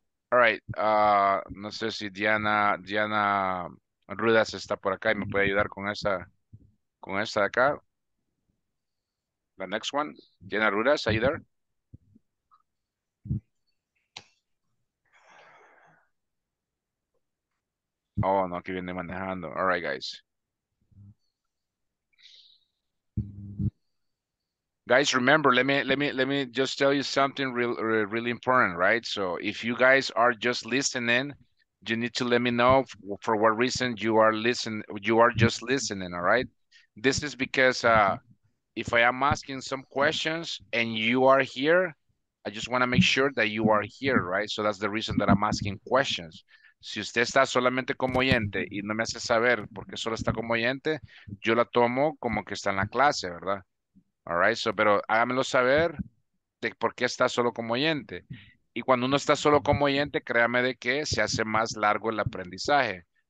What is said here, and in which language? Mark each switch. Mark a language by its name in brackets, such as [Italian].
[English] All right, [Spanish] no sé si Diana Rudas está por acá y me puede ayudar con esta de acá. [English] The next one, Diana Rudas, are you there? [Spanish] Oh, no, que viene manejando. [English] All right, guys. Guys, remember, let me just tell you something really important, right? So if you guys are just listening, you need to let me know for what reason you are just listening, all right? This is because if I am asking some questions and you are here, I just want to make sure that you are here, right? So that's the reason that I'm asking questions. [Spanish] Si usted está solamente como oyente y no me hace saber por qué solo está como oyente, yo la tomo como que está en la clase, ¿verdad? [English] All right, so, [Spanish] pero hágamelo saber de por qué está solo como oyente. Y cuando uno está solo como oyente, créame de que se hace más largo el aprendizaje.